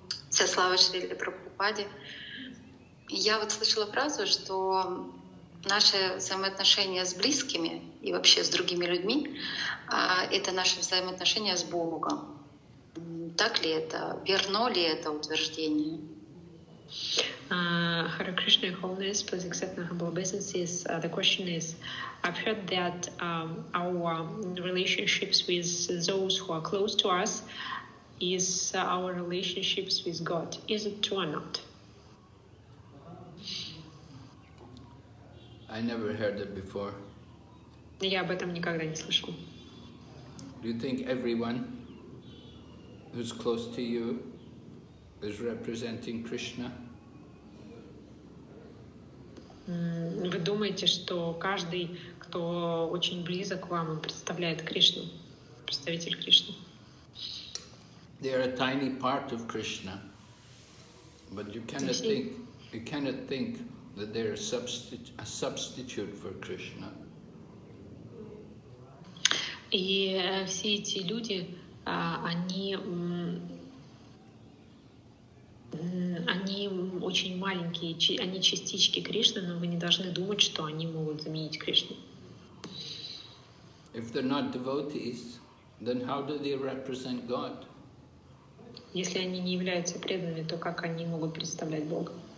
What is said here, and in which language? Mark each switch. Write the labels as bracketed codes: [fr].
[ru] Вся слава Шриле Прабхупаде. Я вот слышала фразу, что наши взаимоотношения с близкими и вообще с другими людьми, это наши взаимоотношения с Богом. Так ли это? Верно ли это утверждение? [en] Hare Krishna, Your Holiness, please accept my humble obeisances. The question is, I've heard that our relationships with those who are close to us is our relationships with God. Is it true or not? I never heard it before. [ru] Я об этом никогда не слышал. [en] Do you think everyone who's close to you is representing Krishna? [ru] Вы думаете, что каждый, кто очень близок к вам, представляет Кришну, представитель Кришны? [en] They are a tiny part of Krishna, but you cannot think that they are a substitute for Krishna. [ru] И все эти люди, они очень маленькие, они частички Кришны, но вы не должны думать, что они могут заменить Кришну. [en] If they're not devotees, then how do they represent God? [ru] Если они не являются преданными, то как они могут представлять Бога?